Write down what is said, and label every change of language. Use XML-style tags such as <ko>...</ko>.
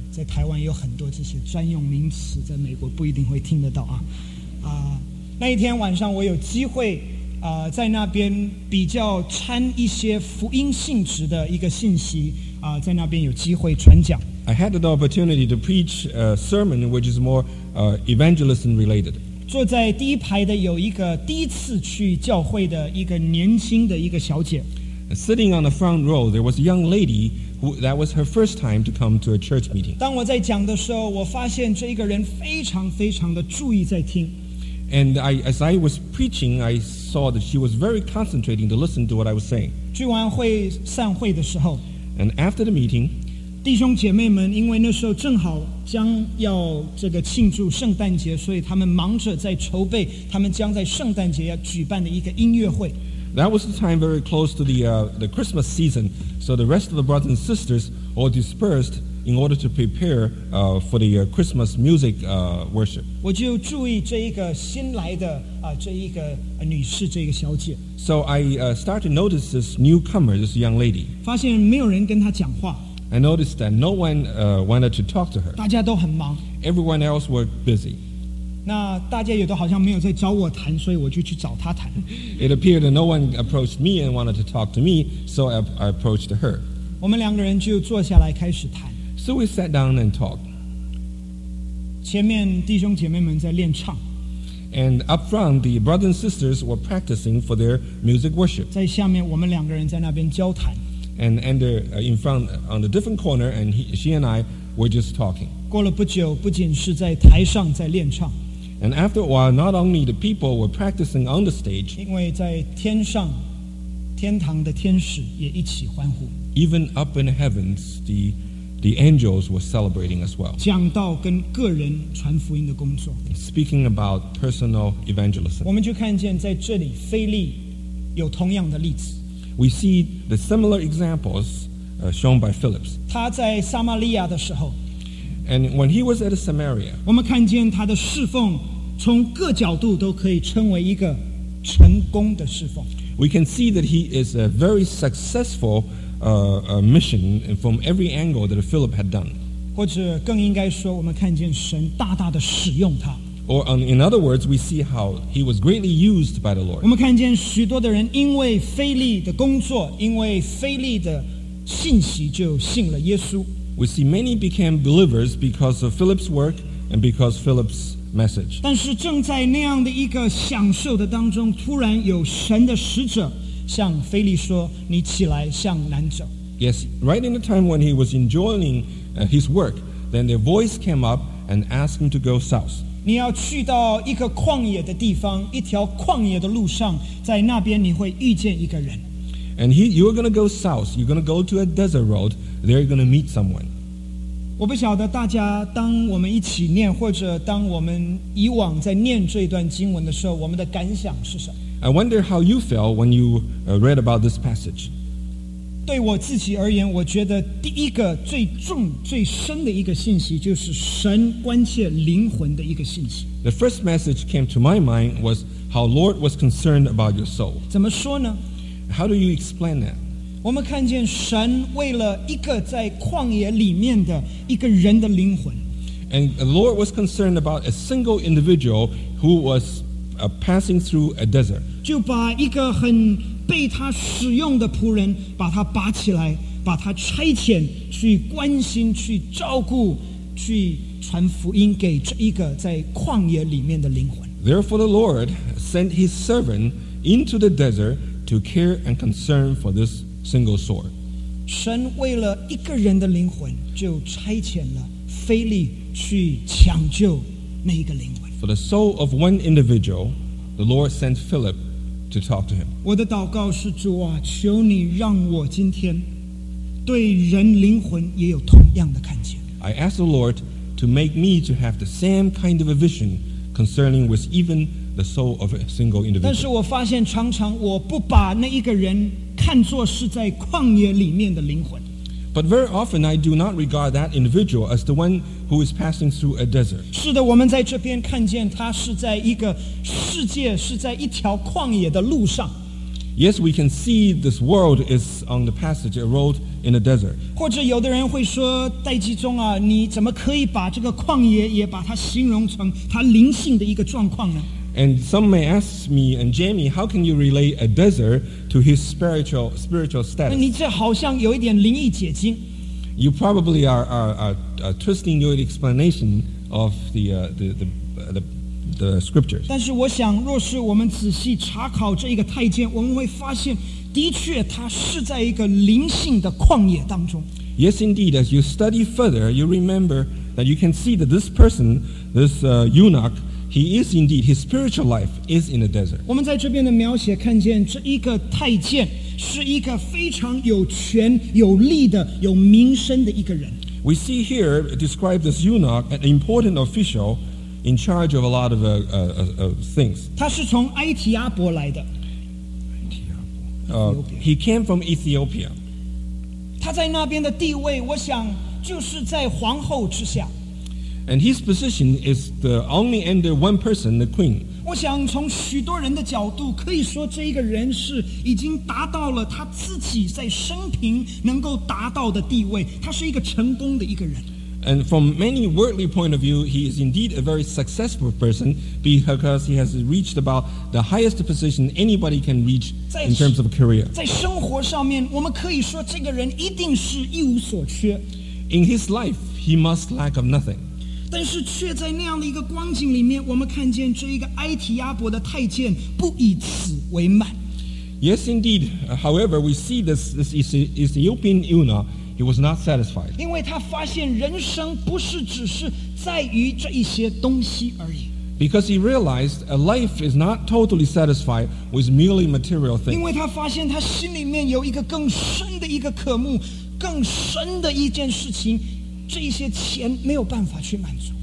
<zh>在台湾有很多这些专用名词，在美国不一定会听得到啊。那一天晚上我有机会在那边比较掺一些福音性质的一个信息在那边有机会传讲。</zh> <en>I had the opportunity to preach a sermon which is more evangelism related.</en> <zh>坐在第一排的有一个第一次去教会的一个年轻的一个小姐。</zh> <en>Sitting on the front row, there was a young lady who that was her first time to come to a church meeting.</en> <zh>当我在讲的时候，我发现这一个人非常非常的注意在听。</zh> <en>And as I was preaching, I saw that she was very concentrating to listen to what I was saying.</en> <zh>聚完会散会的时候</zh> <en>，And after the meeting,</en> <zh>弟兄姐妹们，因为那时候正好。将要这个庆祝圣诞节，所以他们忙着在筹备他们将在圣诞节要举办的一个音乐会。</zh> <en>That was the time very close to the Christmas season, so the rest of the brothers and sisters all dispersed in order to prepare for the Christmas music worship.</en> <zh>我就注意这一个新来的这一个女士，这个小姐。</zh> <en>So I start to notice this newcomer, this young lady.</en> <zh>发现没有人跟她讲话。</zh> <en>I noticed that no one wanted to talk to her.</en> <zh>大家都很忙。</zh> <en>Everyone else were busy.</en> <zh>那大家有的好像没有在找我谈，所以我就去找她谈。</zh> <en>It appeared that no one approached me and wanted to talk to me, so I approached her.</en> <zh>我们两个人就坐下来开始谈。</zh> <en>So we sat down and talked.</en> <zh>前面弟兄姐妹们在练唱。</zh> <en>And up front, the brothers and sisters were practicing for their music worship.</en> <zh>在下面，我们两个人在那边交谈。</zh> <en>And in front on the different corner, and she and I were just talking.</en> <zh>过了不久，不仅是在台上在练唱。</zh> <en>And after a while, not only the people were practicing on the stage.</en> <zh>因为在天上，天堂的天使也一起欢呼。</zh> <en>Even up in the heavens, the angels were celebrating as well.</en> <zh>讲到跟个人传福音的工作。</zh> <en>Speaking about personal evangelism.</en> <zh>我们就看见在这里腓力有同样的例子。</zh> <en>We see the similar examples shown by Philip.</en> <zh>他在撒玛利亚的时候</zh> <en>，and when he was at Samaria,</en> <zh>我们看见他的侍奉从各角度都可以称为一个成功的侍奉。</zh> <en>We can see that he is a very successful mission from every angle that Philip had done.</en> <zh>或者更应该说，我们看见神大大的使用他。</zh> <en>Or in other words, we see how he was greatly used by the Lord.</en> <zh>我们看见许多的人因为腓力的工作，因为腓力的信息就信了耶稣。</zh> <en>We see many became believers because of Philip's work and because Philip's message.</en> <zh>但是正在那样的一个享受的当中，突然有神的使者向腓力说：“你起来向南走。”</zh> <en>Yes, right in the time when he was enjoying his work, then their voice came up and asked him to go south.</en> <zh>你要去到一个旷野的地方，一条旷野的路上，在那边你会遇见一个人。</zh> <en>And you're going to go south. You're going to go to a desert road. There you're going to meet someone.</en> <zh>我不晓得大家当我们一起念，或者当我们以往在念这段经文的时候，我们的感想是什么。</zh> <en>I wonder how you felt when you read about this passage.</en> <zh>对我自己而言，我觉得第一个最重最深的一个信息就是神关切灵魂的一个信息。</zh> <en>The first message came to my mind was how Lord was concerned about your soul.</en> <zh>怎么说呢？</zh> <en>How do you explain that?</en> <zh>我们看见神为了一个在旷野里面的一个人的灵魂。</zh> <en>And the Lord was concerned about a single individual who was passing through a desert.</en> <zh>就把一个很被他使用的仆人把他拔起来把他差遣去关心去照顾去传福音给这一个在旷野里面的灵魂</zh> <en>Therefore the Lord sent his servant into the desert to care and concern for this single soul</en> <zh>神为了一个人的灵魂，就差遣了腓力去抢救那一个灵魂。</zh> <en>For the soul of one individual, the Lord sent Philip to talk to him.</en> <zh>我的祷告是主啊，求你让我今天对人灵魂也有同样的看见。</zh> <en>I ask the Lord to make me to have the same kind of a vision concerning with even the soul of a single individual.</en> <zh>但是我发现常常我不把那一个人看作是在旷野里面的灵魂。</zh> <en>But very often I do not regard that individual as the one who is passing through a desert.</en> <zh>是的，我们在这边看见他是在一个世界，是在一条旷野的路上。</zh> <en>Yes, we can see this world is on the passage, a road in a desert.</en> <zh>或者有的人会说，戴季中啊，你怎么可以把这个旷野也把它形容成他灵性的一个状况呢？</zh> <en>And some may ask me, and Jamie, how can you relate a desert to his spiritual status?</en> <zh>你这好像有一点灵异解经。</zh> <en>You probably are twisting your explanation of the scriptures.</en> <zh>但是我想，若是我们仔细查考这一个太监，我们会发现，的确他是在一个灵性的旷野当中。</zh> <en>Yes, indeed. As you study further, you remember that you can see that this person, this eunuch. He is indeed, his spiritual life is in the desert.</en> <zh>我们在这边的描写看见这一个太监是一个非常有权有力的有名声的一个人。</zh> <en>We see here, describe this eunuch, an important official in charge of a lot of things.</en> <zh>他是从埃提阿伯来的。</zh> <en>He came from Ethiopia.</en> <zh>他在那边的地位我想就是在皇后之下。</zh> <en>And his position is the only under one person, the queen.</en> <zh>我想从许多人的角度，可以说这一个人是已经达到了他自己在生平能够达到的地位。他是一个成功的一个人。</zh> <en>And from many worldly point of view, he is indeed a very successful person because he has reached about the highest position anybody can reach in terms of a career.</en> <zh>在生活上面，我们可以说这个人一定是一无所缺。</zh> <en>In his life, he must lack of nothing.</en> <zh>但是却在那样的一个光景里面，我们看见这一个埃提亚伯的太监不以此为满。</zh> <en>Yes, indeed. However, we see this Ethiopian eunuch, he was not satisfied.</en> <zh>因为他发现人生不是只是在于这一些东西而已。</zh> <en>Because he realized a life is not totally satisfied with merely material things.</en> <zh>因为他发现他心里面有一个更深的一个渴慕，更深的一件事情。这一些钱没有办法去满足。</zh>